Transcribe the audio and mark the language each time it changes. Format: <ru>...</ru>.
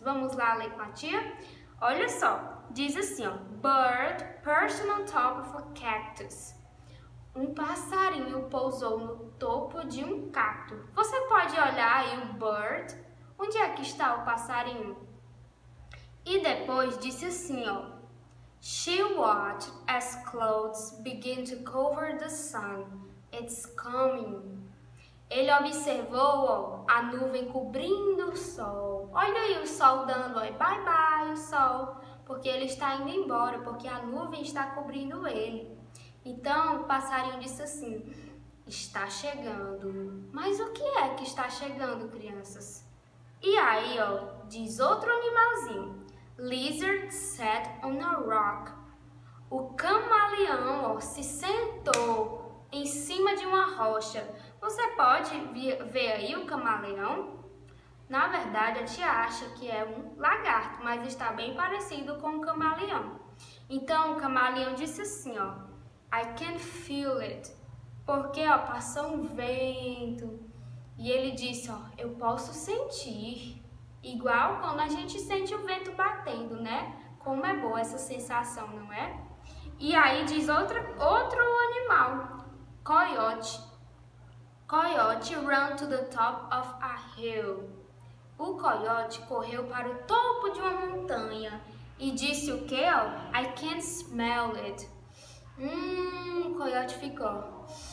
<pt>Vamos lá ler com a tia? Olha só, diz assim, ó,</pt> <en>bird perched on top of a cactus.</en> <pt>Um passarinho pousou no topo de um cacto. Você pode olhar aí o bird? Onde é que está o passarinho? E depois disse assim, ó,</pt> <en>she watched as clouds begin to cover the sun. It's coming.</en> <pt>Ele observou, ó, a nuvem cobrindo o sol. Olha aí o sol dando, ó, bye bye, o sol, porque ele está indo embora, porque a nuvem está cobrindo ele. Então, o passarinho disse assim: está chegando. Mas o que é que está chegando, crianças? E aí, ó, diz outro animalzinho:</pt> <en>lizard sat on a rock.</en> <pt>O camaleão, ó, se sentou em cima de uma rocha. Você pode ver aí o camaleão? Na verdade, a tia acha que é um lagarto, mas está bem parecido com o camaleão. Então, o camaleão disse assim, ó,</pt> <en>I can feel it,</en> <pt>porque, ó, passou um vento. E ele disse, ó, eu posso sentir. Igual quando a gente sente o vento batendo, né? Como é boa essa sensação, não é? E aí diz outro animal. Coyote.</pt> <en>Coyote ran to the top of a hill.</en> <pt>O coiote correu para o topo de uma montanha e disse o quê?</pt> <en>I can't smell it.</en> <pt>O coiote ficou.</pt>